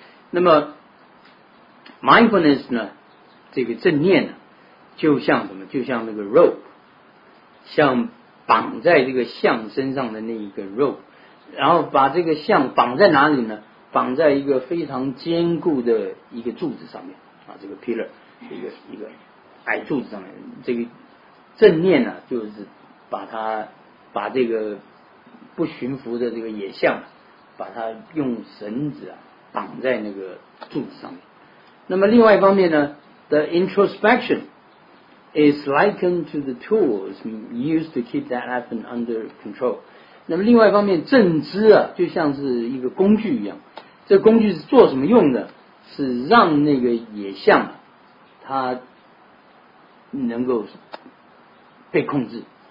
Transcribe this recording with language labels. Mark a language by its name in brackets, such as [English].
[Chinese] 那么 mindfulness 呢，这个正念呢，就像什么，就像那个 rope， 像绑在这个象身上的那一个 rope， 然后把这个象绑在哪里呢，绑在一个非常坚固的一个柱子上面啊，这个 pillar， 一个矮柱子上面。这个正念呢，就是把这个不驯服的这个野象，把它用绳子啊绑在那个柱子上面。那么另外一方面呢 [English] ，the introspection is likened to the tools used to keep that elephant under control。 [Chinese] 那么另外一方面，正知啊，就像是一个工具一样，这工具是做什么用的？是让那个野象啊，它能够被控制。